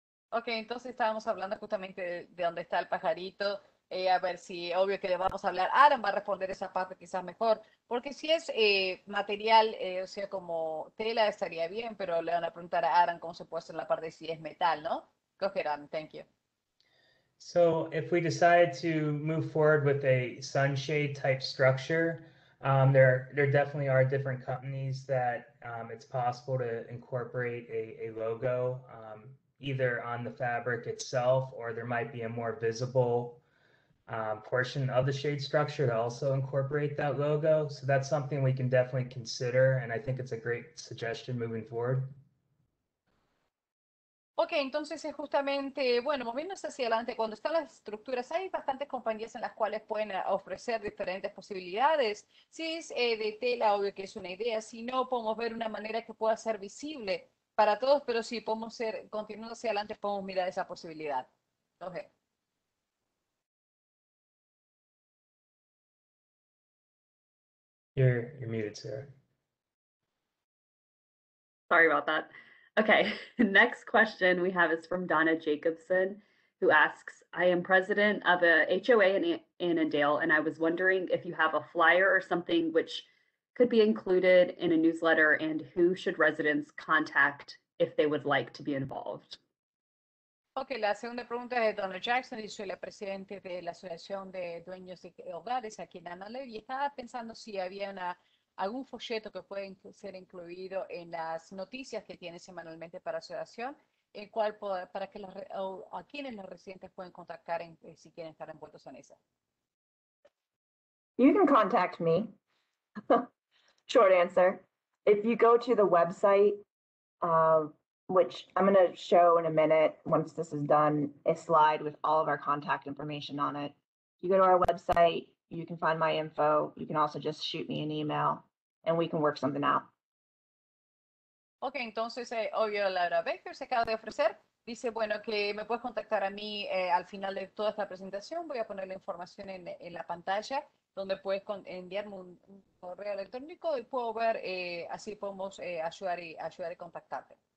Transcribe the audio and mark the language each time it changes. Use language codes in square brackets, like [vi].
[es] Okay, entonces estábamos hablando justamente de dónde está el pajarito. A ver si, obvio que le vamos a hablar. Adam va a responder esa parte quizás mejor. Porque si es material, o sea, como tela, estaría bien, pero le van a preguntar a Adam cómo se puede hacer la parte si es metal, ¿no? [en] Go ahead, Adam, thank you. So, if we decide to move forward with a sunshade type structure, there definitely are different companies that it's possible to incorporate a logo. Either on the fabric itself, or there might be a more visible portion of the shade structure to also incorporate that logo. So that's something we can definitely consider, and I think it's a great suggestion moving forward. [es] Okay, entonces es justamente, bueno, moviéndose hacia adelante, cuando están las estructuras, hay bastantes compañías en las cuales pueden ofrecer diferentes posibilidades. Si es de tela, obvio que es una idea, si no, podemos ver una manera que pueda ser visible para todos, pero si podemos ser, continuando hacia adelante, podemos mirar esa posibilidad. [en] Okay. You're muted, Sarah. Sorry about that. Okay, next question we have is from Donna Jacobson, who asks, I am president of a HOA in Annandale, and I was wondering if you have a flyer or something which could be included in a newsletter, and who should residents contact if they would like to be involved? [es] Okay, la segunda pregunta es de Donna Jackson, y soy la presidente de la Asociación de Dueños de Hogares aquí en Annandale, y estaba pensando si había algún folleto que puede ser incluido en las noticias que tiene semanalmente para la asociación, el cual para que a quienes los residentes pueden contactar si quieren estar envueltos en esa. [en] You can contact me. Short answer. If you go to the website, which I'm going to show in a minute once this is done, a slide with all of our contact information on it. You go to our website, you can find my info. You can also just shoot me an email and we can work something out. [es] Okay, entonces, obvio, Laura Baker se acaba de ofrecer. Dice, bueno, que me puedes contactar a mí al final de toda esta presentación. Voy a poner la información en la pantalla donde puedes enviarme un correo electrónico y puedo ver, así podemos ayudar y contactarte.